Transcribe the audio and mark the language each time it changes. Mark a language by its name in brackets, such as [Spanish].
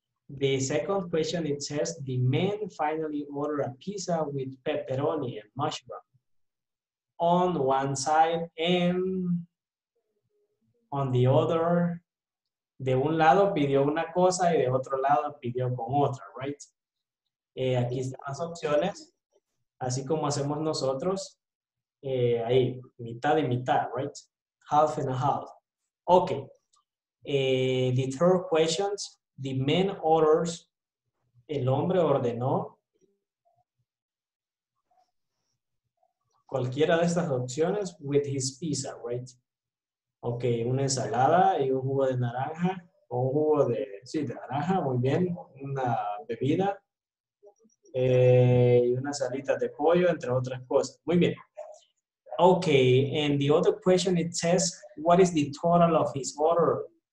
[English] The second question, it says, the man finally ordered a pizza with pepperoni and mushroom on one side and on the other. [Spanish] De un lado pidió una cosa y de otro lado pidió con otra, right? Aquí están las opciones. Así como hacemos nosotros, ahí, mitad y mitad, right? [English] Half and a half. Okay. The third question, the man orders, [Spanish] el hombre ordenó. Cualquiera de estas opciones [English] with his pizza, right? [Spanish] Okay, una ensalada y un jugo de naranja, o un jugo de, sí, de naranja, muy bien, una bebida. Y una salita de pollo, entre otras cosas. Muy bien. [English] Okay, and the other question, it says, what is the total of his order?